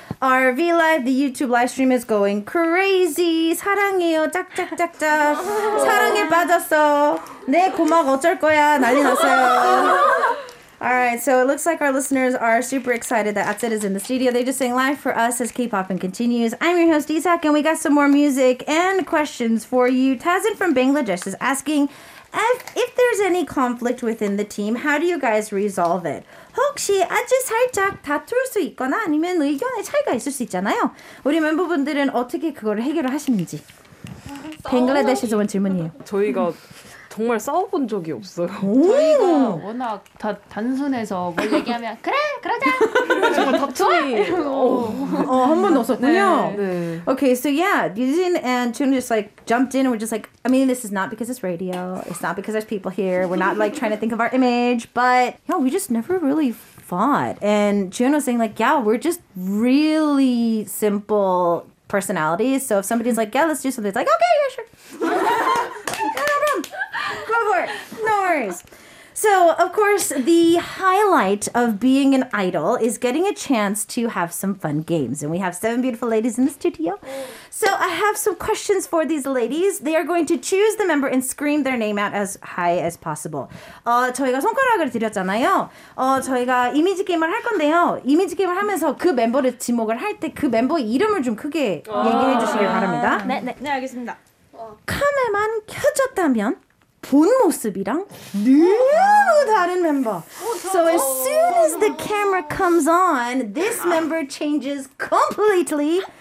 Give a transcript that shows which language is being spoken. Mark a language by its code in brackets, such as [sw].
[en] Our V Live, the YouTube live stream is going crazy. [ko] 사랑해요, 짝짝짝짝. 사랑에 빠졌어. 내 고막 어쩔 거야, 난리 났어요. [en] All right, so it looks like our listeners are super excited that Atsed is in the studio. They just sang live for us as K-pop and continues. I'm your host, Isaac, and we got some more music and questions for you. Tazen from Bangladesh is asking, if there's any conflict within the team, how do you guys resolve it? [ko] 혹시 아주 살짝 다툴 수 있거나 아니면 의견의 차이가 있을 수 있잖아요. 우리 멤버분들은 어떻게 그거를 해결을 하시는지. 벵글라데시에서 온 질문이에요. 저희가 정말 싸워본 적이 없어요. 저희가 워낙 다 단순해서 뭘 얘기하면 그래 그러자. 정말 다툼이 한 번도 없었군요. 네. [en] Okay, so yeah, Yujin and Chun just like jumped in and were just like, I mean, this is not because it's radio. It's not because there's people here. We're not like trying to think of our image, but yeah, we just never really fought. And Chun was saying like, yeah, we're just really simple personalities. So if somebody's like, yeah, let's do something, it's like, okay, yeah, sure. Go for it. No worries. So, of course, the highlight of being an idol is getting a chance to have some fun games. And we have seven beautiful ladies in the studio. So I have some questions for these ladies. They are going to choose the member and scream their name out as high as possible. [ko] 저희가 손가락을 드렸잖아요. 저희가 이미지 게임을 할 건데요. 이미지 게임을 하면서 그 멤버를 지목을 할 때 그 멤버 이름을 좀 크게 얘기해 주시길 바랍니다. 네, 네, 네, 알겠습니다. 카메만 켜졌다면 본 모습이랑 너무 다른 멤버. [en] So as soon as the camera comes on, this member changes completely.